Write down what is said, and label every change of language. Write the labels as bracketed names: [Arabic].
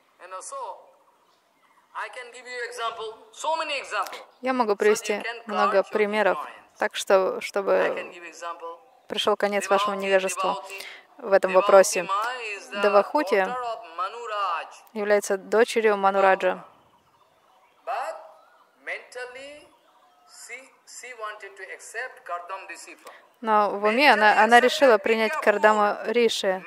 [English] And so, I can give you example, so many examples. [Russian] Я могу привести много примеров, так что, чтобы пришел конец вашему невежеству в этом вопросе. Девахути является дочерью Мануража. [English] But mentally, she wanted to accept Kardam Rishi. [Russian] Но в уме она решила принять Кардама Риши.